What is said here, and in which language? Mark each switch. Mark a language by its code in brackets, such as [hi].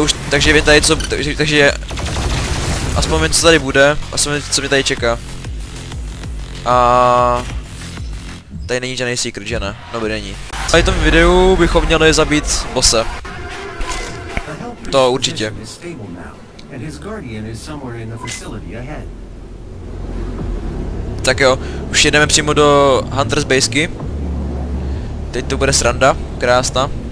[cs] Takže vím tady co... Takže... Aspoň vím, co tady bude. Aspoň co mě tady čeká. A... Tady není žádný secret, že ne? No by není. Tady v tom videu bychom měli zabít bossa. To určitě. [en] and his guardian is somewhere in the facility ahead. [cs] Tak jo, už jedeme přímo do Hunter's Basky. Teď to bude sranda, krásná.